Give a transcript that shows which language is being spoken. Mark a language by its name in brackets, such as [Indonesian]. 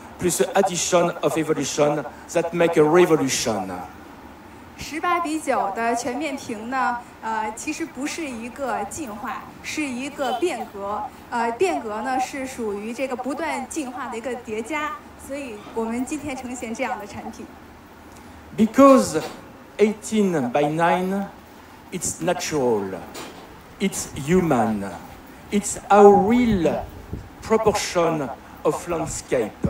[English] Plus addition of evolution that make a revolution. [Chinese] 18:9的全面屏呢，其实不是一个进化，是一个变革。变革呢是属于这个不断进化的一个叠加。所以我们今天呈现这样的产品。Because [English] 18:9, it's natural, it's human, it's a real proportion of landscape.